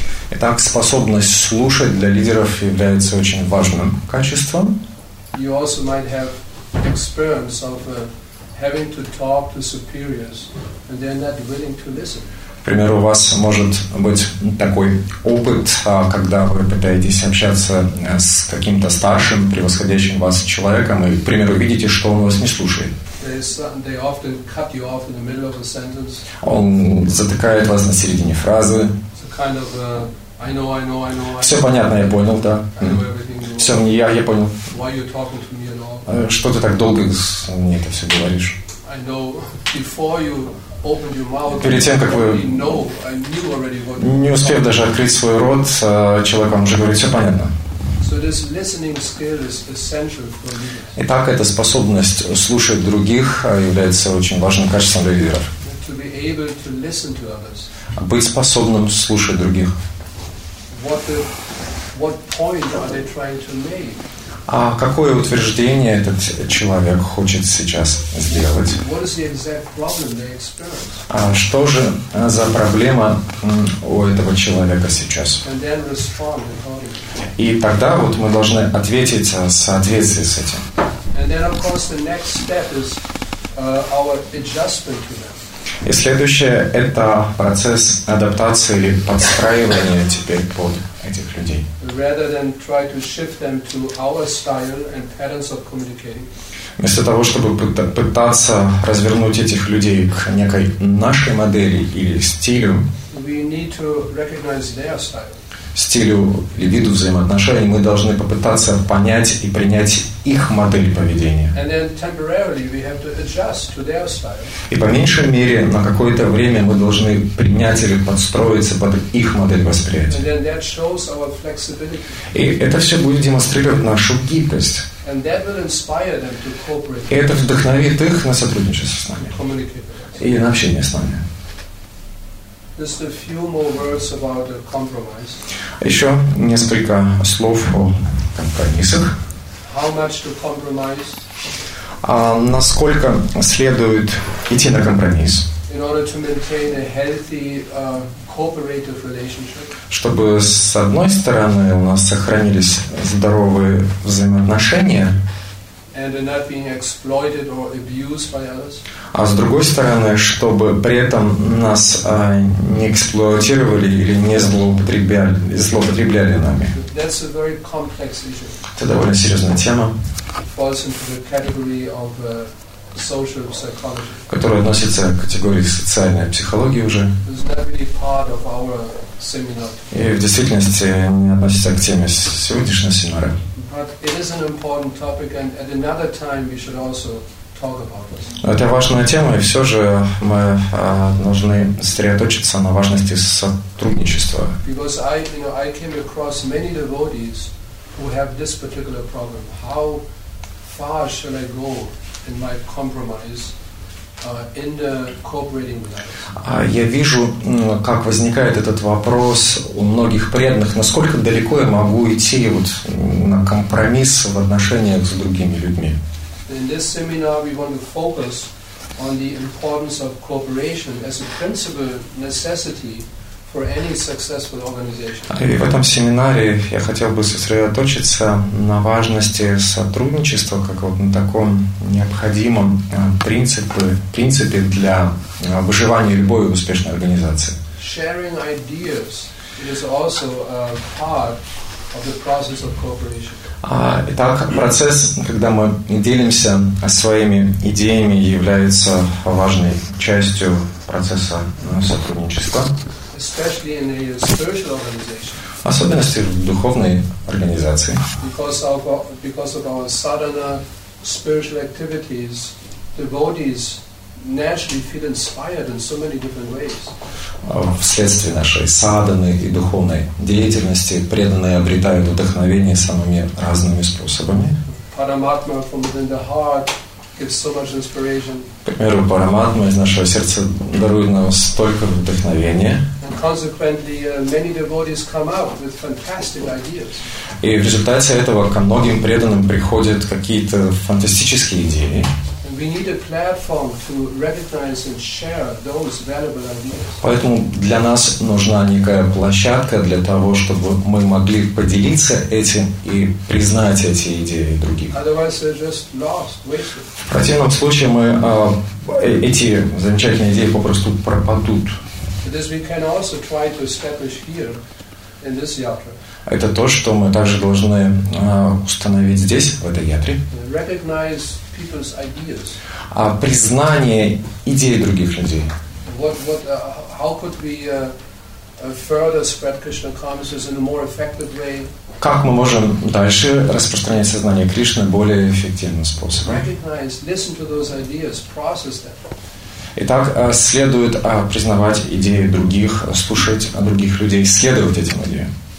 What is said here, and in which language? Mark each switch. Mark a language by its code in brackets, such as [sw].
[ru] Итак, способность слушать для лидеров является очень важным качеством. [en] You also might have experience of having to talk to superiors, and they're not willing to listen. [ru] К примеру, у вас может быть такой опыт, когда вы пытаетесь общаться с каким-то старшим, превосходящим вас человеком, и, к примеру, видите, что он вас не слушает. [en] They often cut you off in the middle of a sentence. [ru] Он затыкает вас на середине фразы. [en] It's a kind of I know. [ru] Все понятно, я понял, да. Все, мне я понял. [en] Why are you talking to me at all? [ru] Что ты так долго мне это все говоришь? [en] I know before you opened your mouth. [ru] Перед тем, как вы не успев даже открыть свой рот, человек вам уже говорит, все понятно. [en] So this listening skill is essential for leaders. [ru] Итак, эта способность слушать других является очень важным качеством для лидеров. [en] To be able to listen to others. [ru] Быть способным слушать других. [en] What point are they trying to make? [ru] А какое утверждение этот человек хочет сейчас сделать? [en] What is the exact problem they experience? [ru] А что же за проблема у этого человека сейчас? [en] And then respond accordingly. [ru] И тогда вот мы должны ответить в соответствии с этим. [en] And then, of course, the next step is our adjustment to them. [ru] И следующее – это процесс адаптации или подстраивания теперь под этих людей. [en] Rather than try to shift them to our style and patterns of communicating. [ru] Вместо того, чтобы пытаться развернуть этих людей к некой нашей модели или стилю, [en] we need to recognize their style. [ru] Стилю или виду взаимоотношений, мы должны попытаться понять и принять их модель поведения. [en] And then temporarily we have to adjust to their style. [ru] И по меньшей мере на какое-то время мы должны принять или подстроиться под их модель восприятия. [en] And then that shows our flexibility. [ru] И это все будет демонстрировать нашу гибкость. [en] And that will inspire them to cooperate. [ru] И это вдохновит их на сотрудничество с нами. [en] Communicate. [ru] И на общение с нами. [en] Just a few more words about the compromise. [ru] Еще несколько слов о компромиссах. [en] How much to compromise? [ru] Насколько следует идти на компромисс? [en] In order to maintain a healthy cooperative relationship. [ru] Чтобы с одной стороны у нас сохранились здоровые взаимоотношения. [en] And not being exploited or abused by others. [ru] А с другой стороны, чтобы при этом нас не эксплуатировали или не злоупотребляли нами. [en] That's a very complex issue. [ru] Это довольно серьезная тема. [en] It falls into the category of social psychology. [ru] Которая относится к категории социальной психологии уже. [en] It's not really part of our seminar. [ru] И в действительности не относится к теме сегодняшнего семинара. [en] But it is an important topic, and at another time we should also talk about this. [ru] Это важная тема, и все же мы должны сосредоточиться на важности сотрудничества. [en] Because I, you know, I came across many devotees who have this particular problem. How far should I go in my compromise? In the cooperating with others. [ru] Я вижу, как возникает этот вопрос у многих преданных. Насколько далеко я могу идти вот на компромисс в отношениях с другими людьми? [en] In this seminar, we want to focus on the importance of cooperation as a principal necessity for any successful organization. [ru] И в этом семинаре я хотел бы сосредоточиться на важности сотрудничества как вот на таком необходимом принципе для выживания любой успешной организации. [en] Sharing ideas is also a part of the process of cooperation. [ru] Итак, процесс, когда мы делимся своими идеями, является важной частью процесса сотрудничества. [en] Especially in a spiritual organization. [ru] Особенности в духовной организации. [en] Because of our sadhana, spiritual activities, devotees naturally feel inspired in so many different ways. [ru] Вследствие нашей садханы и духовной деятельности преданные обретают вдохновение самыми разными способами. [en] Paramatma from within the heart gives so much inspiration. [ru] К примеру, Параматма из нашего сердца дарует нам столько вдохновения. [en] Consequently, many devotees come out with fantastic ideas. [ru] И в результате этого ко многим преданным приходят какие-то фантастические идеи. [en] And we need a platform to recognize and share those valuable ideas. [ru] Поэтому для нас нужна некая площадка для того, чтобы мы могли поделиться этим и признать эти идеи других. [en] Otherwise, they're just lost, wasted. [ru] В противном случае мы эти замечательные идеи попросту пропадут. [en] This we can also try to establish here in this yatra. [ru] Это то, что мы также должны установить здесь, в этой ятре. [en] Recognize people's ideas. [ru] А признание идей других людей. [en] How could we further spread Krishna consciousness in a more effective way? [ru] Как мы можем дальше распространять сознание Кришны более эффективным способом? [en] Recognize, listen to those ideas, process them. [ru] Итак, следует признавать идеи других, слушать других людей, следовать этим идеям.